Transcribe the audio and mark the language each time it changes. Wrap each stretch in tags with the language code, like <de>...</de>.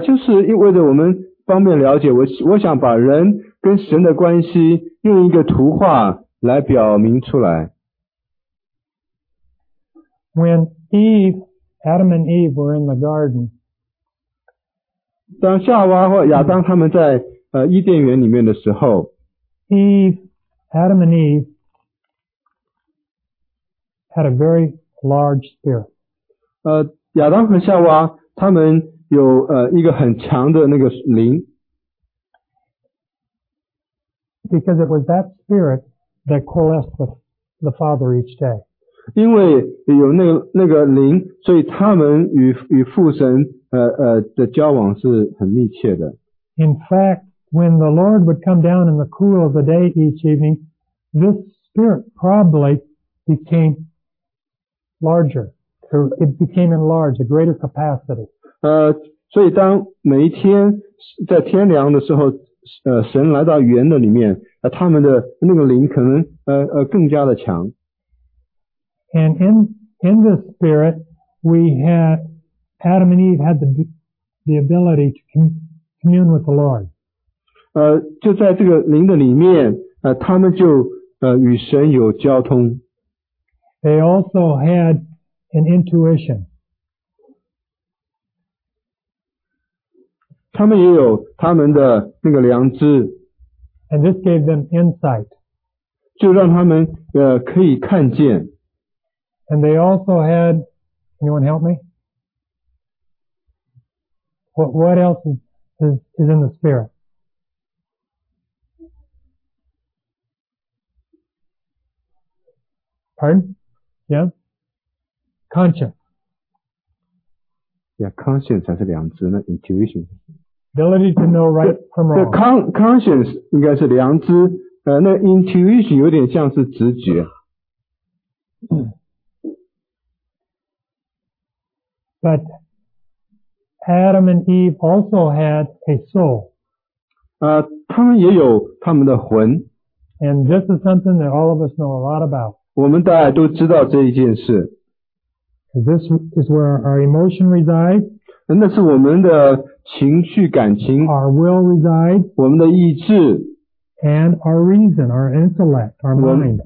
<zh>就是因为我们方便了解，我想把人跟神的关系用一个图画来表明出来。</zh> <en>When Adam and Eve were in the garden,</en> <zh>当夏娃或亚当他们在伊甸园里面的时候</zh> <en>Adam and Eve had a very large spirit.</en> <zh>亚当和夏娃他们有一个很强的那个灵。</zh> <en>Because it was that spirit that coalesced with the Father each day.</en> <zh>因为有那个灵，所以他们与父神的交往是很密切的。</zh> <en>In fact,When the Lord would come down in the cool of the day each evening, this spirit probably became larger. It became enlarged, a greater capacity.</en> <zh>所以当每一天在天凉的时候，神来到园的里面，他们的那个灵可能更加的强。</zh> <en>And in this spirit, we had Adam and Eve had the ability to commune with the Lord.</en> <zh>就在这个灵的里面他们就与神有交通。</zh> <en>They also had an intuition.</en> <zh>他们也有他们的那个良知。</zh> <en>And this gave them insight.</en> <zh>就让他们可以看见。</zh> <en>And they also had, anyone help me? What else is in the spirit? Pardon? Yeah? Conscience. Yeah,</en> <zh>conscience 才是良知，那 intuition.</zh> <en>Ability to know right from wrong.</en> <zh>Conscience 应该是良知，那 intuition 有点像是直觉。</zh> <en>But Adam and Eve also had a soul.</en> <zh>他们也有他们的魂。</zh> <en>And this is something that all of us know a lot about.</en> <zh>我们大家都知道这一件事。</zh> <en>This is where our emotion resides.</en> <zh>那是我们的情绪感情。</zh> <en>Our will resides.</en> <zh>我们的意志。</zh> <en>And our reason, our intellect, our mind.</en>